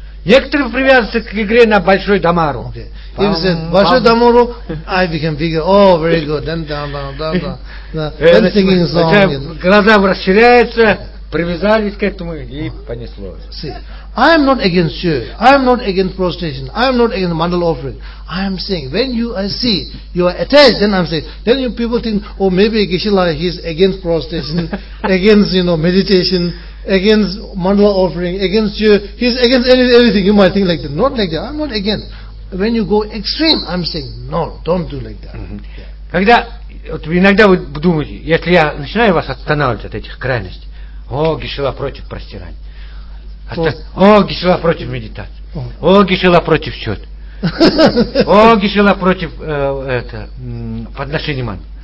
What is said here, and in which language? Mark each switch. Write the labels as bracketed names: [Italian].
[Russian] Некоторые привязываются к игре на большой дамару. [English] Okay. If you say [Russian] большой дамару, [English] I become bigger. Oh, very good. Then then singing song. [Russian] Глаза расширяются, привязались к этому и понеслось. [English] See, I am not against you. I am not against prostration. I am not against mandala offering. I am saying when you I see you are attached, then I'm saying then you people think, oh, maybe Geshe-la is against prostration, against meditation. Against mandala offering, against you, he's against everything. You might think like that, not like that. I'm not against. When you go extreme, I'm saying no, don't do like that. [Russian] Когда вот иногда вы думаете, если я начинаю вас останавливать от этих крайностей, о, Гишила против простирания, о, Гишила против медитации, о, Гишила против счета, о, Гишила против это подношения ман.